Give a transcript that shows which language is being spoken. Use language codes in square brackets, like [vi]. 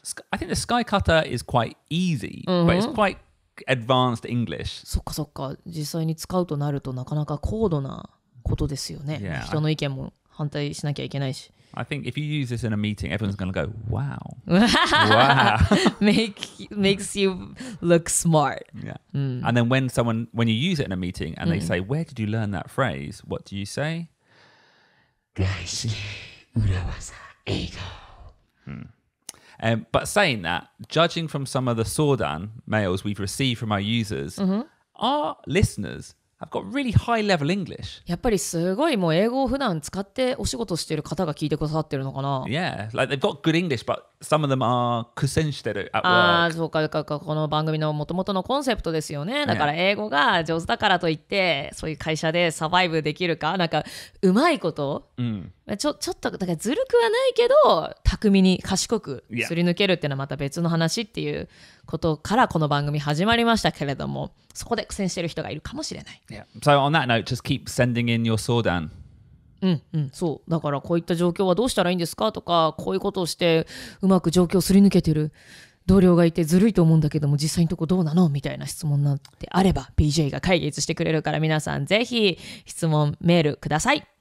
[en] I think the 使い方 is quite easy,、mm-hmm. but it's quite advanced English. [ja] そっかそっか。実際に使うとなるとなかなか高度なことですよね。 [en] Yeah, [ja] 人の意見も反対しなきゃいけないし。 [en] I think if you use this in a meeting, everyone's going to go, wow. wow. makes you look smart. Yeah.、Mm. And then when you use it in a meeting and they、mm. say, where did you learn that phrase? What do you say? [ja] 外資系裏技英語。 [en] But saying that, judging from some of the sawdan mails we've received from our users,、mm-hmm. our listeners... I've got really high level English. [ja] やっぱりすごいもう英語を普段使ってお仕事してる方が聞いてくださってるのかな。 [en] Yeah, like they've got good English, but some of them are [ja] 苦戦してる [en] at work. [ja] ああ、そうか、かか、この番組の元々のコンセプトですよね。だから英語が上手だからといって、そういう会社でサバイブできるか、なんかうまいこと、 mm. ちょっとだからずるくはないけど、巧みに賢くすり抜けるっていうのはまた別の話っていう。 [en] Yeah. [ja] ことからこの番組始まりましたけれども、そこで苦戦してる人がいるかもしれない。 [en] Yeah. So on that note, just keep sending in your 相談。 [ja] うんうん、そうだから、こういった状況はどうしたらいいんですかとか、こういうことをしてうまく状況すり抜けてる同僚がいてずるいと思うんだけども、実際のとこどうなのみたいな質問なんてあれば BJ が解決してくれるから、皆さんぜひ質問メールください。